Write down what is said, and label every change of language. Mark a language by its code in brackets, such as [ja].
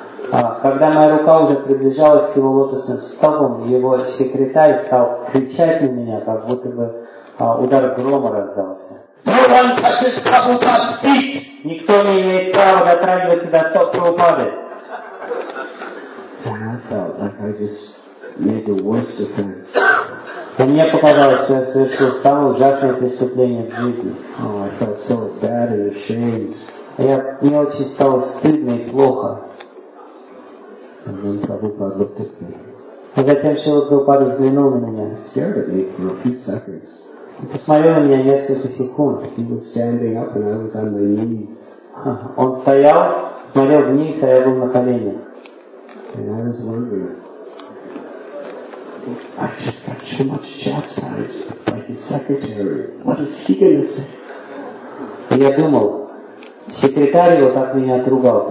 [ru] Когда моя рука уже приближалась к его лотосным стопам, его секретарь стал кричать на меня, как будто бы удар грома раздался. [en] No one touches Prabhupada's feet! [ru] Никто не имеет права дотрагиваться до стоп Прабхупады. [en] And I felt like I just made the worst offense. [ru] И мне показалось, что я совершил самое ужасное преступление в жизни. [en] Oh, I felt so bad and ashamed. [ru] Мне очень стало стыдно и плохо. [en] And then Prabhupada looked at me. [ru] И затем Шрила Прабхупада взглянул на меня. [en] He stared at me for a few seconds. [ru] И посмотрел на меня несколько секунд. [en] He was standing up and I was on my knees. [ru] Он стоял, смотрел вниз, а я был на коленях. [en] And I was wondering. I just got too much chastised by his secretary. What is he going to say? [ru] И я думал, секретарь его так меня отругал.